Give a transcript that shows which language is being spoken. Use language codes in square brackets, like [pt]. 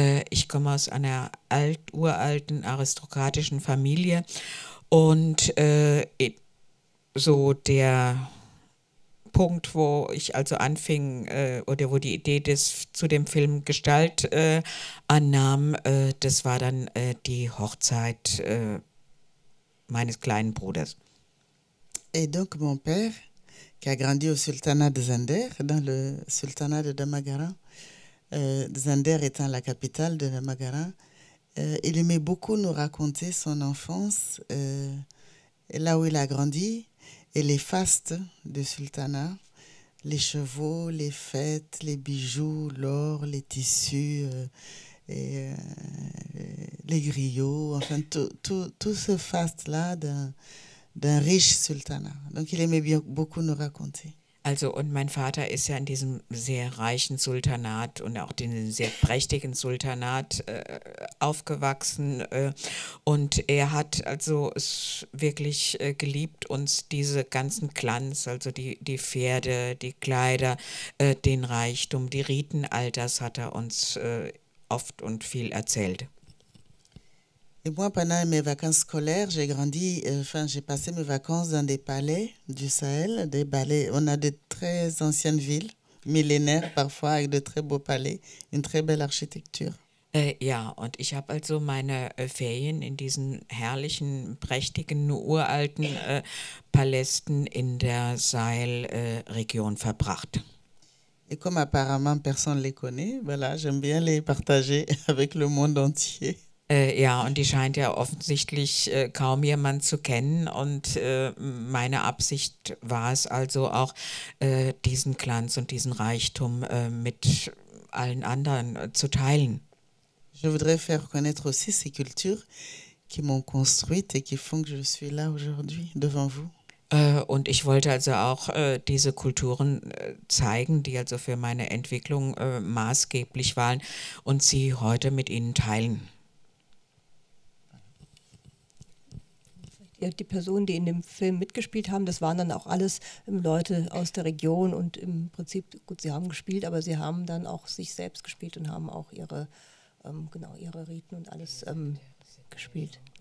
[de] Ich komme aus einer uralten, aristokratischen Familie und so der Punkt, wo ich also anfing oder wo die Idee zu dem Film Gestalt annahm, das war dann die Hochzeit meines kleinen Bruders. [fr] Et donc mon père, qui a grandi au Sultanat de Zinder, dans le Sultanat de Damagara, Zinder étant la capitale de Damagara, il aimait beaucoup nous raconter son enfance, là où il a grandi, et les fastes du sultanat, les chevaux, les fêtes, les bijoux, l'or, les tissus, et les griots, enfin tout ce faste-là d'un riche sultanat. Donc il aimait bien beaucoup nous raconter. [de] Also, und mein Vater ist ja in diesem sehr reichen Sultanat und auch in diesem sehr prächtigen Sultanat aufgewachsen. Und er hat also es wirklich geliebt, uns diese ganzen Glanz, also die Pferde, die Kleider, den Reichtum, die Riten, all das hat er uns oft und viel erzählt. [fr] Et moi, pendant mes vacances scolaires, j'ai grandi, j'ai passé mes vacances dans des palais du Sahel, des palais. On a de très anciennes villes, millénaires parfois, avec de très beaux palais, une très belle architecture. [de] Ja, und ich habe also meine Ferien in diesen herrlichen, prächtigen, uralten Palästen in der Sahel-Region verbracht. [fr] Et comme apparemment personne ne les connaît, voilà, j'aime bien les partager avec le monde entier. [de] Ja, und die scheint ja offensichtlich kaum jemand zu kennen. Und meine Absicht war es also auch, diesen Glanz und diesen Reichtum mit allen anderen zu teilen. [fr] Je voudrais faire connaître aussi ces cultures qui m'ont construite et qui font que je suis là aujourd'hui devant vous. [de] Und ich wollte also auch diese Kulturen zeigen, die also für meine Entwicklung maßgeblich waren und sie heute mit Ihnen teilen. Die Personen, die in dem Film mitgespielt haben, das waren dann auch alles Leute aus der Region und im Prinzip, gut, sie haben gespielt, aber sie haben dann auch sich selbst gespielt und haben auch ihre, genau, ihre Riten und alles gespielt.